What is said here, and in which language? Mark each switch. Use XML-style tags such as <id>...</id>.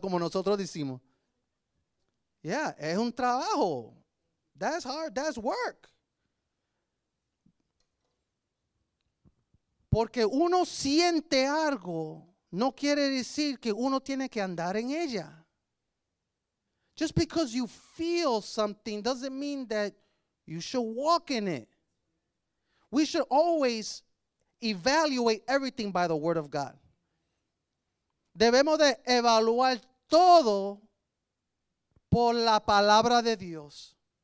<es>Como nosotros decimos. Yeah, es un trabajo.</es> <en>That's hard. That's work.</en> <es>Porque uno siente algo, no quiere decir que uno tiene que andar en ella.</es> <en>Just because you feel something doesn't mean that you should walk in it. We should always evaluate everything by the word of God.</en> <es>Debemos de evaluar todo por la palabra de Dios.</es>